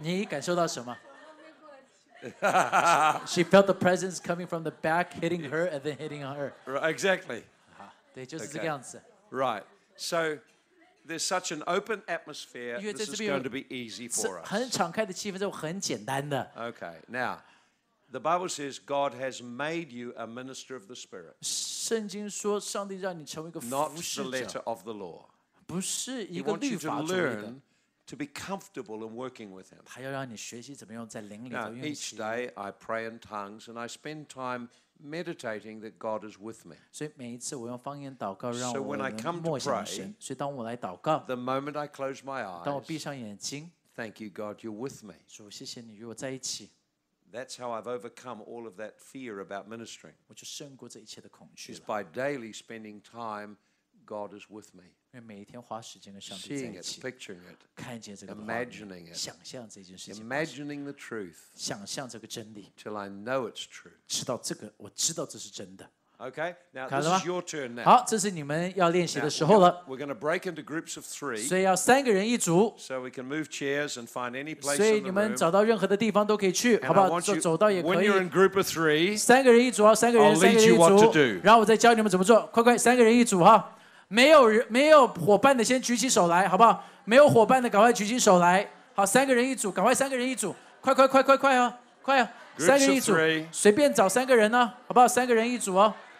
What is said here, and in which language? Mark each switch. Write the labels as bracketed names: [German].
[Chinese] 你感受到什么 [English] ？She felt the presence coming from the back, hitting her, and then hitting on her. Right, exactly. [Chinese] 对，就是这个样子。 [English] Right. So there's such an open atmosphere. This is going to be easy for us. [Chinese] 很敞开的气氛，就很简单的。 [English] Okay. Now. The Bible says God has made you a minister of the Spirit. [Chinese] 圣经说上帝让你成为一个服侍者。 [English] Not the letter of the law. [Chinese] 不是一个律法主义 [English] 的。He wants you to learn to be comfortable in working with him. [Chinese] 他要让你学习怎么用在灵里 [English] 头运行。Now each day I pray in tongues and I spend time meditating that God is with me. [Chinese] 所以每一次我用方言祷告，让我能默想神。所以当我来祷告 [English] ，The moment I close my eyes， [Chinese] 当我闭上眼睛 [English] ，Thank you, God, you're with me. [Chinese] 主，谢谢你与我在一起。 [English] That's how I've overcome all of that fear about ministering. [Chinese] 我就胜过这一切的恐惧了。 [English] Is by daily spending time, God is with me. [Chinese] 因为每一天花时间跟上帝在一 [English] 起。Seeing it, picturing it, [Chinese] 看见这个 [English] imagining it, [Chinese] 想象这件事情。 [English] Imagining the truth, [Chinese] 想象这个真理。 [English] Till I know it's true. [Chinese] 知道这个，我知道这是真的。 [English] Okay, now this is your turn now. [Chinese] 好，这是你们要练习的时候了。 [English] We're going to break into groups of three. [Chinese] 所以要三个人一组。 [English] So we can move chairs and find any place in the room. [Chinese] 所以你们找到任何的地方都可以去，好不好？就走到也可以。 When you're in group of three, 三个人一组啊，三个人，三个人一组。然后我再教你们怎么做，快快，三个人一组哈。没有伙伴的先举起手来，好不好？没有伙伴的赶快举起手来。好，三个人一组，赶快三个人一组，快快快快快啊，快啊，三个人一组，随便找三个人呢，好不好？三个人一组哦。